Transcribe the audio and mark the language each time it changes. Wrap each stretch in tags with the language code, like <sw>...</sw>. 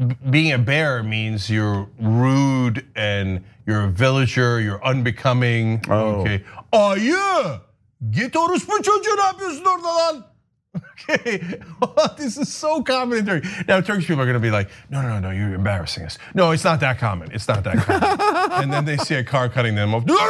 <en>Being a bear means you're rude and you're a villager, you're unbecoming. Oh. Okay.</en> <tr>Ayı, git orospu çocuğu ne yapıyorsun orada lan?</tr> <en>Okay. This is so common in Turkey. Now Turkish people are gonna be like, no, you're embarrassing us. No, it's not that common. It's not that common. And then they see a car cutting them off.</en>